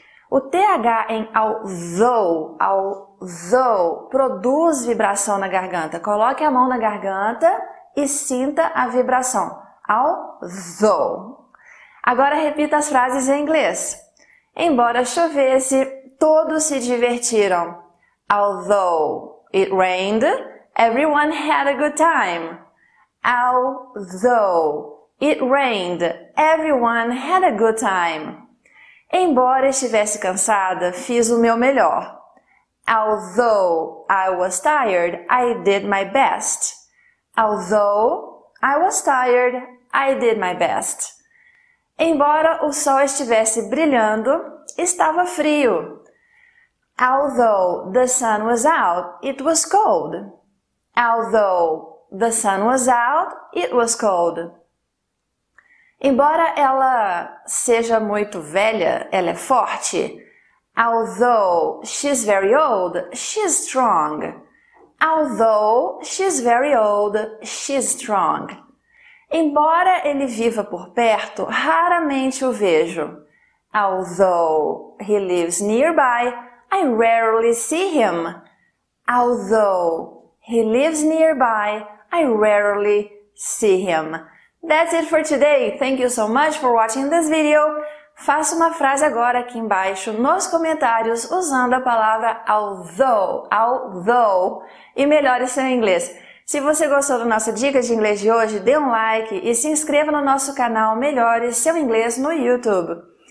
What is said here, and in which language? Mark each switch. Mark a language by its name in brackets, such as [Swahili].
[Portuguese] O TH em although, although, produz vibração na garganta. Coloque a mão na garganta e sinta a vibração. Although. Agora repita as frases em inglês. Embora chovesse, todos se divertiram. [English] Although it rained, everyone had a good time. Although it rained, everyone had a good time. [Portuguese] Embora estivesse cansada, fiz o meu melhor. [English] Although I was tired, I did my best. Although I was tired, I did my best. [Portuguese] Embora o sol estivesse brilhando, estava frio. [English] Although the sun was out, it was cold. Although the sun was out, it was cold. [Portuguese] Embora ela seja muito velha, ela é forte. [English] Although she's very old, she's strong. Although she's very old, she's strong. [Portuguese] Embora ele viva por perto, raramente o vejo. [English] Although he lives nearby, I rarely see him. Although he lives nearby, I rarely see him. That's it for today. Thank you so much for watching this video. [Portuguese] Faça uma frase agora aqui embaixo nos comentários usando a palavra although e melhore seu inglês. Se você gostou da nossa dica de inglês de hoje, dê um like e se inscreva no nosso canal Melhore Seu Inglês no YouTube.